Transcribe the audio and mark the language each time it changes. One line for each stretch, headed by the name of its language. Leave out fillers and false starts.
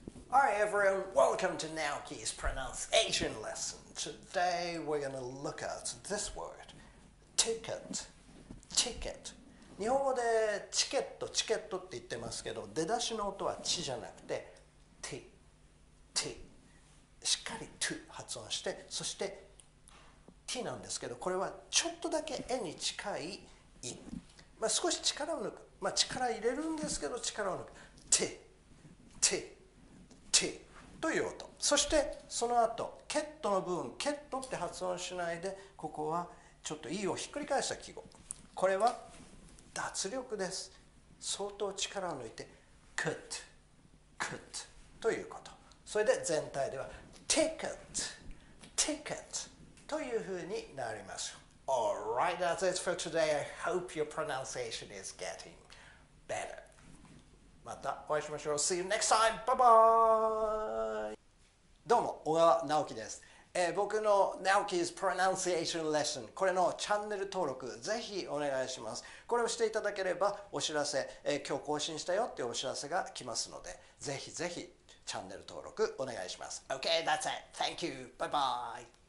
English: Hi everyone, welcome to Naoki's pronunciation lesson. Today we're going to look at this word, ticket. Ticket.
Japanese: 日本語でチケット、チケットって言ってますけど、出だしの音はチじゃなくて、ティ、ティ。しっかりト発音して、そしてティなんですけど、これはちょっとだけエに近いイ。まあ、少し力を抜く。まあ、力入れるんですけど、力を抜く。ティ、ティ、ティという音。そしてその後、ケットの部分、ケットって発音しないで、ここはちょっとイをひっくり返した記号。これは脱力です。相当力を抜いて、クッ、クッということ。それで全体では、ticket, ticket というふうになります。
English: Alright, that's it for today. I hope your pronunciation is getting better.
Japanese: またお会いしましょう。
English: See you next time. Bye bye!
Japanese: どうも、小川直樹です。僕の Naoki's Pronunciation Lesson、 これのチャンネル登録ぜひお願いします。これをしていただければお知らせ、今日更新したよっていうお知らせが来ますので、ぜひぜひチャンネル登録お願いします。
English: OK, that's it. Thank you. Bye bye.